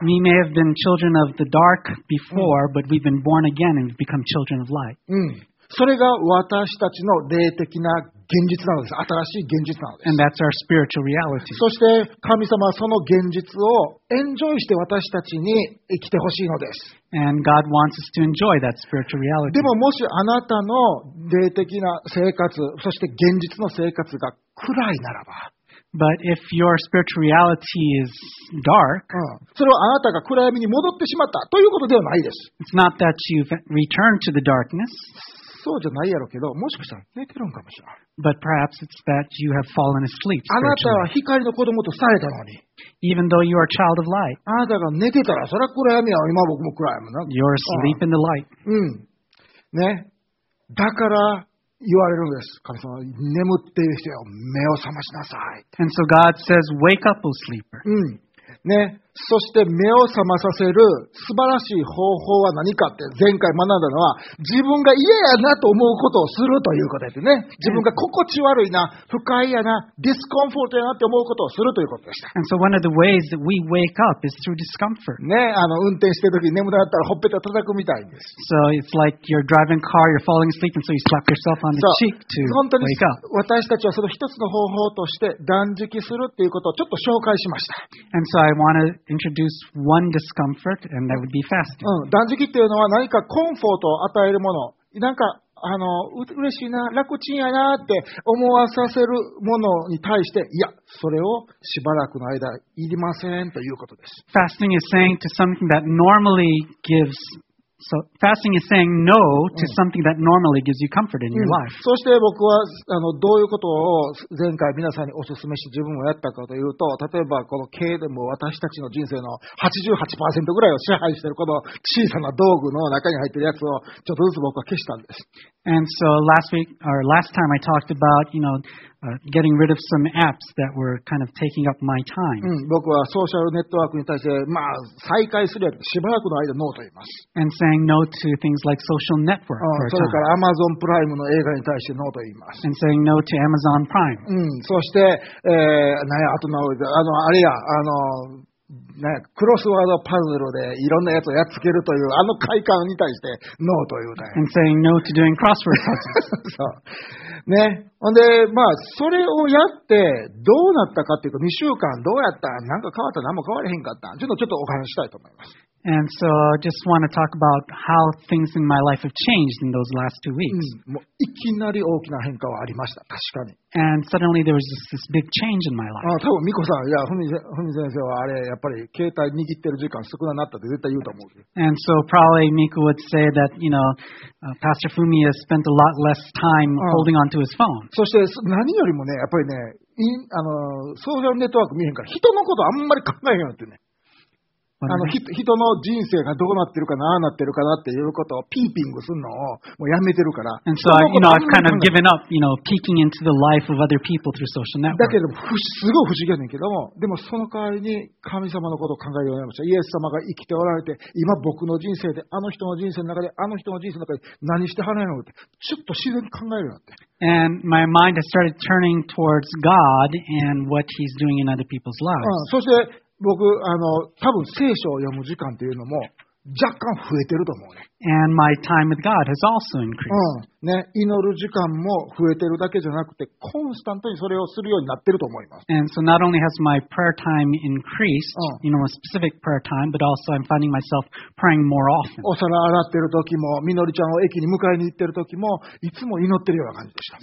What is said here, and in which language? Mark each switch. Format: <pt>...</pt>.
<en>We may have been children of the dark before, but we've been born again and become children of light. うん。</en> <ja>それが私たちの霊的な現実なのです。新しい現実なのです。</ja> <en>And that's our spiritual reality.</en> <ja>そして神様はその現実をエンジョイして私たちに生きてほしいのです。</ja> <en>And God wants us to enjoy that spiritual reality.</en> <ja>でももしあなたの霊的な生活、そして現実の生活が暗いならば、</ja> <en>But if your spiritual reality is dark,</en> <ja>それはあなたが暗闇に戻ってしまったということではないです。</ja> <en>It's not that you've returned to the darkness.</en> <ja>そうじゃないやろけど、もしかしたら寝てるんかもしれない。</ja> <en>But perhaps it's that you have fallen asleep.</en> <ja>あなたは光の子供とされたのに。</ja> <en>Even though you are a child of light.</en> <ja>あなたが寝てたら、それは暗闇や。今僕も暗闇な。</ja> <en>You're asleep in the light. うん。ね。</en> <ja>だから言われるんです。神様、眠っている人よ、目を覚ましなさい。</ja> <en>And so God says, wake up, O sleeper. うん。</en> <ja>ね、そして目を覚まさせる素晴らしい方法は何かって前回学んだのは自分が嫌やなと思うことをするということですね。自分が心地悪いな、不快やな、ディスコンフォートやなって思うことをするということでした。</ja> <en>And so one of the ways that we wake up is through discomfort.</en> <ja>ね、運転してる時に眠たかったらほっぺた叩くみたいです。</ja> <en>So it's like you're driving car, you're falling asleep, and so you slap yourself on the cheek to wake up.</en> <ja>本当に私たちはその一つの方法として断食するっていうことをちょっと紹介しました。</ja> <en>And so I want to introduce one discomfort, and that would be fasting.</en> <ja>断食っていうのは何かコンフォートを与えるもの、なんか嬉しいな、楽ちんやなって思わさせるものに対して、いや、それをしばらくの間いりませんということです。</ja> <en>Fasting is saying to something that normally gives. So fasting is saying no to something that normally gives you comfort in your life.</en> <ja>そして僕はどういうことを前回皆さんにお勧めして自分もやったかというと、例えばこの経でも私たちの人生の 88% ぐらいを支配しているこの小さな道具の中に入っているやつをちょっとずつ僕は消したんです。</ja> <en>And so last week or last time I talked about getting rid of some apps that were kind of taking up my time.</en> <ja>僕はソーシャルネットワークに対して、まあ、再開するやつ、しばらくの間ノーと言います。</ja> <en>And saying no to things like social network for a time.</en> <ja>それから Amazon Prime の映画に対してノーと言います。</ja> <en>And saying no to Amazon Prime.</en> <ja>そして、なんや、あとの、あれや、ね、クロスワードパズルでいろんなやつをやっつけるという、あの快感に対してノーというね。</ja> <en>And saying no to doing crossword puzzles. そう。ね。</en> <ja>ほんで、まあ、それをやって、どうなったかっていうか、2週間どうやった、なんか変わった、何も変わりへんかった、ちょっとお話したいと思います。</ja> <en>And so, I just want to talk about how things in my life have changed in those last 2 weeks.、</en> <ja>もういきなり大きな変化はありました、確かに。</ja> <en>And suddenly there was this big change in my life.</en> <ja>たぶん、ミコさん、いや、ふみ先生はあれ、やっぱり、携帯握ってる時間少なくなったって絶対言うと思う。</ja> <en>And so, probably, Miku would say that, you know, Pastor Fumi has spent a lot less time holding onto his phone.</en> <ja>そして、何よりもね、やっぱりね、ソーシャルネットワーク見えへんから、人のことあんまり考えへんよってね。あの人の人生がどうなってるかな、ああなってるかなっていうことをピーピングするのをもうやめてるから。</ja> <en>And so, I, you know, I've kind of given up, you know, peeking into the life of other people through social networks.</en> <ja>だけど、すごい不思議やねんけども、でもその代わりに神様のことを考えるようになりました。イエス様が生きておられて、今僕の人生で、あの人の人生の中で、あの人の人生の中で何してはらないのって、ちょっと自然に考えるようになって。</ja> <en>And my mind has started turning towards God and what He's doing in other people's lives.</en> <ja>そして、僕あの多分聖書を読む時間というのも若干増えてると思うね。</ja> <en>And my time with God has also increased.</en> <ja>ね、祈る時間も増えてるだけじゃなくて、コンスタントにそれをするようになってると思います。</ja> <en>And so not only has my prayer time increased, you know, a specific prayer time, but also I'm finding myself praying more often.</en> <ja>お皿洗ってる時も、みのりちゃんを駅に迎えに行ってる時も、いつも祈ってるような感じでした。</ja>